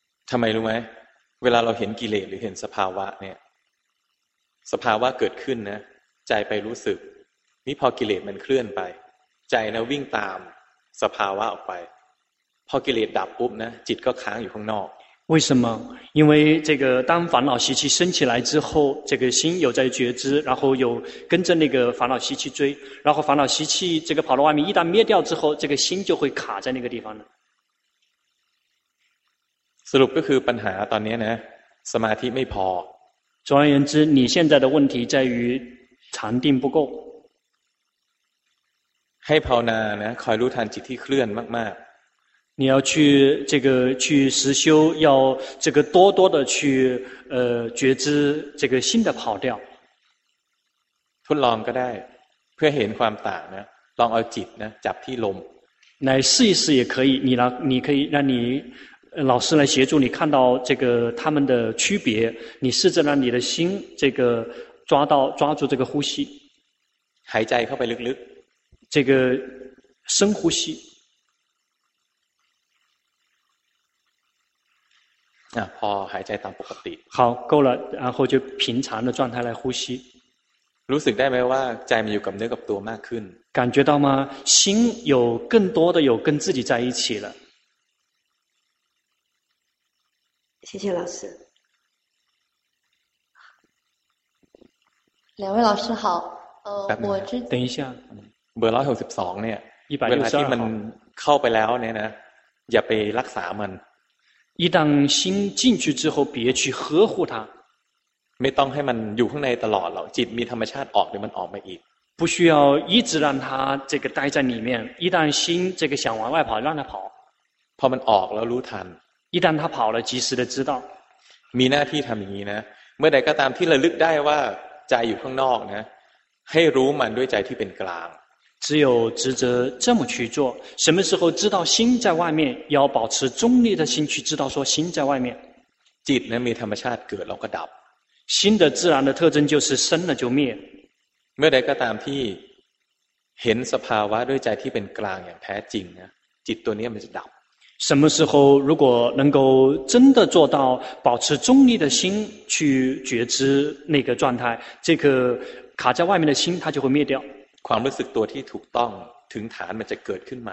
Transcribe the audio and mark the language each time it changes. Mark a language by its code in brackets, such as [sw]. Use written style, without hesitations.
[th] ทำไมรู้ไหมเวลาเราเห็นกิเลสหรือเห็นสภาวะเนี่ยสภาวะเกิดขึ้นนะใจไปรู้สึกนี่พอกิเลสมันเคลื่อนไปใจนะวิ่งตามสภาวะออกไปพอกิเลสดับปุ๊บนะจิตก็ค้างอยู่ข้างนอก [zh] 为什么因为这个当烦恼习气升起来之后这个心有在觉知然后有跟着那个烦恼习气追然后烦恼习气这个跑到外面一旦灭掉之后这个心就会卡在那个地方 [th] สรุปก็คือปัญหาตอนนี้นะสมาธิไม่พ [zh] อ总而言之你现在的问题在于禅定不够 [th] ให้ภาวนานะคอยรู้ทันจิตที่เคลื่อนมาก [zh] ๆ你要去这个去实修要这个多多的去觉知这个心的跑掉 [th] ทดลองก็ได้เพื่อเห็นความต่างนะลองเอาจิตนะจับที่ลม [zh] 来试一试也可以你可以让你老师来协助你看到这个他们的区别你试着让你的心这个抓住这个呼吸 [th] หายใจเข้าไปลึกๆ [zh] 这个深呼吸 [th] 啊พอหายใจตามปกติ [zh] 好够了然后就平常的状态来呼吸 รู้สึกได้ไหมว่าใจมันอยู่กับเนื้อกับตัวมากขึ้น 感觉到吗心有更多的有跟自己在一起了谢谢老师两位老师好我之等一下 [th] เบอร์162เนี่ยเวลาที่มันเข้าไปแล้วเนี่ยนะอย่าไปรักษามัน [zh] 一旦心进去之后别去呵护它 [th] ไม่ต้องให้มันอยู่ข้างในตลอดหรอกจิตมีธรรมชาติออกเดี๋ยวมันออกมาอีก [zh] 不需要一直让它这个待在里面一旦心这个想往外跑让它跑 [th] พอมันออกแล้วรู้ทัน [zh] 一旦它跑了及时的知道 [th] มีหน้าที่ทำอย่างนี้นะเมื่อใดก็ตามที่ระลึกได้ว่าใจอยู่ข้างนอกนะให้รู้มันด้วยใจที่เป็นกลาง [zh] 只有职责这么去做什么时候知道心在外面要保持中立的心去知道说心在外面 [th] จิตนั้นมีธรรมชาติเกิดแล้วก็ดับ [zh] 心的自然的特征就是生了就灭 [th] เมื่อใดก็ตามที่เห็นสภาวะด้วยใจที่เป็นกลางอย่างแท้จริงนะจิตตัวนี้มันจะดับ [zh] 什么时候如果能够真的做到保持中立的心去觉知那个状态这个卡在外面的心它就会灭掉 [th] ความรู้สึกตัวที่ถูกต้องถึงฐานมันจะเกิดขึ้นใหม